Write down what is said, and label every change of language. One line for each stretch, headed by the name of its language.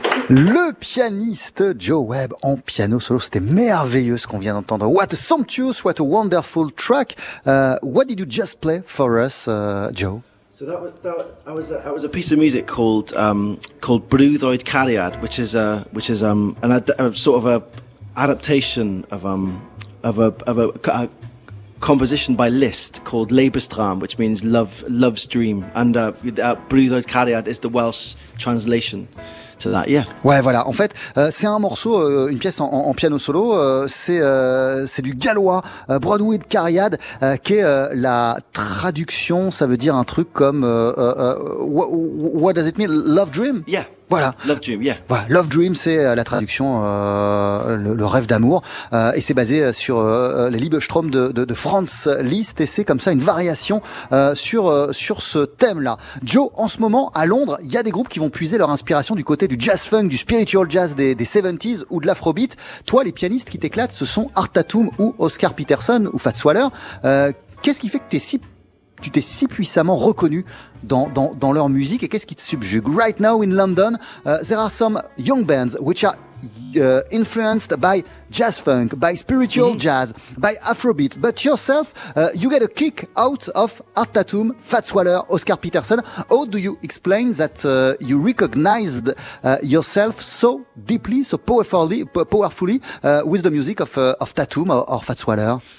French: Le pianiste Joe Webb en piano solo, c'était merveilleux ce qu'on vient d'entendre.
English: What a sumptuous, what a wonderful track. What did you just play for us, Joe? So that was a piece of music called called Brwydroed Cariad, which is a sort of adaptation of a composition by Liszt called Liebestraum, which means love's dream, and Brwydroed Cariad is the Welsh translation. To that, yeah.
French: Ouais, voilà. En fait, c'est un morceau, une pièce en piano solo. C'est du gallois, Brwydroed Cariad, qui est la traduction. Ça veut dire un truc comme
English: what does it mean? Love dream? Yeah.
French: Voilà.
English: Love dream, yeah.
French: Voilà.
English: Love dream,
French: c'est la traduction, le rêve d'amour, et c'est basé sur les Liebestraum de Franz Liszt, et c'est comme ça une variation sur ce thème-là. Joe, en ce moment à Londres, il y a des groupes qui vont puiser leur inspiration du côté du jazz funk, du spiritual jazz des 70s ou de l'afrobeat. Toi, les pianistes qui t'éclatent, ce sont Art Tatum ou Oscar Peterson ou Fats Waller. Qu'est-ce qui fait que tu t'es si puissamment reconnu dans leur musique, et qu'est-ce qui te subjugue?
English: Right now in London, there are some young bands which are influenced by jazz funk, by spiritual jazz, by afrobeat. But yourself, you get a kick out of Art Tatum, Fats Waller, Oscar Peterson. How do you explain that you recognized yourself so deeply, so powerfully with the music of Tatum or Fats Waller?